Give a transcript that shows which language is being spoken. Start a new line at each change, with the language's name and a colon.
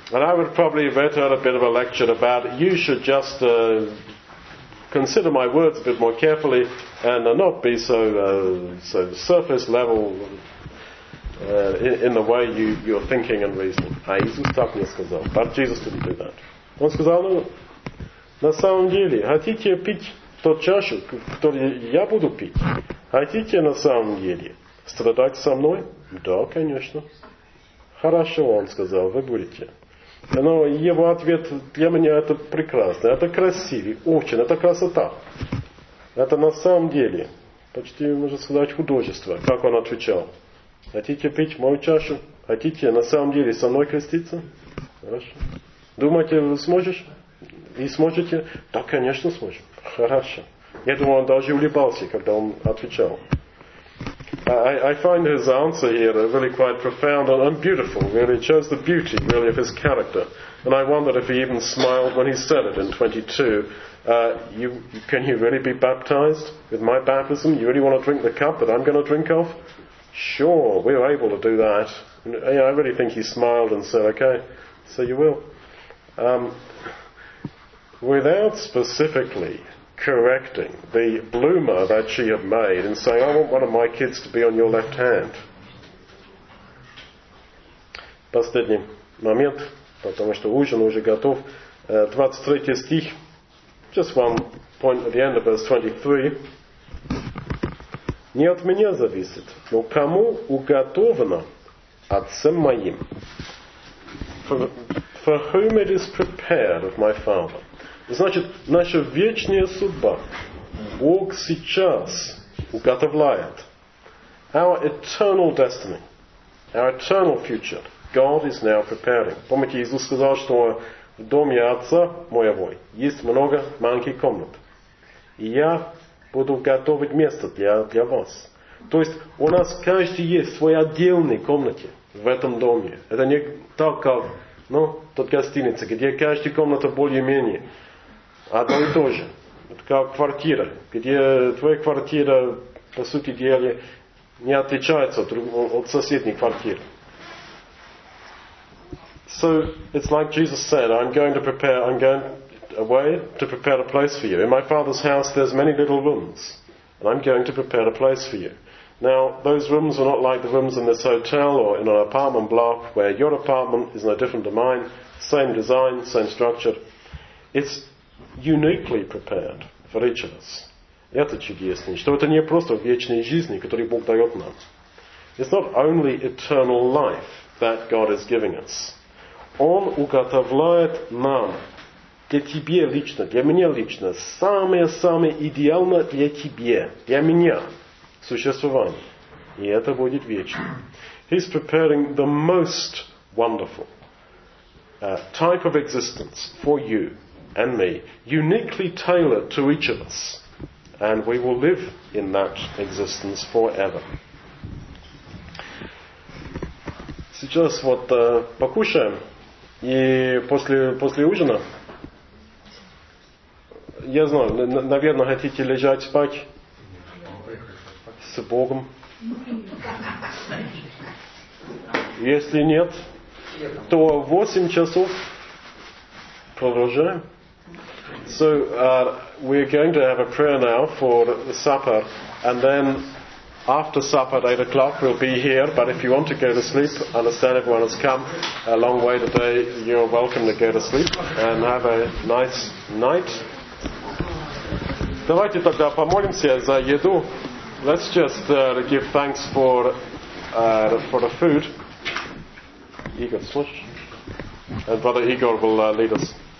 English: And I would probably have had a bit of a lecture about you should just consider my words a bit more carefully and not be so surface level in the way you're thinking and reasoning.
Russian: А Иисус так не сказал.
English: But Jesus didn't do that.
Russian: Он сказал, ну, на самом деле, хотите пить тот чашу, который я буду пить? Хотите на самом деле страдать со мной? Да, конечно. Хорошо, он сказал, вы будете. Но его ответ для меня это прекрасно, это красиво, очень, это красота. Это на самом деле, почти можно сказать, художество, как он отвечал. Хотите пить мою чашу? Хотите на самом деле со мной креститься? Хорошо. Думаете, вы сможешь? И сможете? Да, конечно, сможем. Хорошо. Я думаю, он даже улыбался, когда он отвечал.
English: I find his answer here really quite profound and beautiful. Really, it shows the beauty, really, of his character. And I wondered if he even smiled when he said it in 22. Can you really be baptized with my baptism? You really want to drink the cup that I'm going to drink of? Sure, we're able to do that. And, you know, I really think he smiled and said, okay, so you will. Without specifically correcting the bloomer that she had made and saying, I want one of my kids to be on your left hand.
Russian: Последний момент, потому что ужин уже готов. 23 стих.
English: Just one point at the end of verse 23.
Russian: Не от меня зависит, но кому уготовано отцем моим.
English: For whom it is prepared of my father.
Russian: Значит, наша вечная судьба Бог сейчас уготовляет.
English: Our eternal destiny, our eternal future, God is now preparing.
Russian: Помните, Иисус сказал, что в доме Отца моего есть много маленьких комнат. И я буду готовить место для вас. То есть у нас каждый есть свой отдельный комнате в этом доме. Это не так, как, ну, тот гостиница, где каждая комната более-менее. Одно и то же. Это как квартира, где твоя квартира, по сути дела, не отличается от соседней квартиры.
English: So, it's like Jesus said, I'm going away to prepare a place for you. In my Father's house there's many little rooms, and I'm going to prepare a place for you. Now, those rooms are not like the rooms in this hotel or in an apartment block, where your apartment is no different to mine, same design, same structure. It's uniquely prepared for each of us.
Russian: Это чудесно, что это не просто вечная жизнь, которую Бог дает нам.
English: It's not only eternal life that God is giving us.
Russian: Он уготовляет нам, для тебя лично, для меня лично, самое-самое идеальное для тебя, для меня, существование. И это будет вечно.
English: He's preparing the most wonderful type of existence for you and me, uniquely tailored to each of us, and we will live in that existence forever.
Russian: Сейчас вот покушаем, и после ужина, я знаю, наверное, хотите лежать спать с Богом. Если нет, то в 8 часов продолжаем.
English: So we're going to have a prayer now for supper, and then after supper at 8 o'clock we'll be here, but if you want to go to sleep, I understand everyone has come a long way today, you're welcome to go to sleep and have a nice night.
Russian: Давайте тогда помолимся за еду.
English: Let's just give thanks for the food. Igor, switch. And Brother Igor will lead us.